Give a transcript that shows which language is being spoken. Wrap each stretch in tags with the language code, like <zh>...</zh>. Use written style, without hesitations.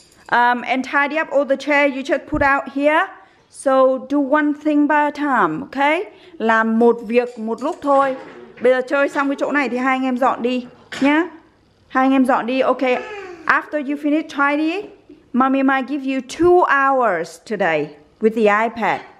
<en>And tidy up all the chair you just put out here. So do one thing by a time, okay?</en> <vi>Làm một việc một lúc thôi. Bây giờ chơi xong cái chỗ này thì hai anh em dọn đi nhá. Hai anh em dọn đi, okay.</vi> <en>After you finish tidy, mommy might give you 2 hours today with the iPad.</en>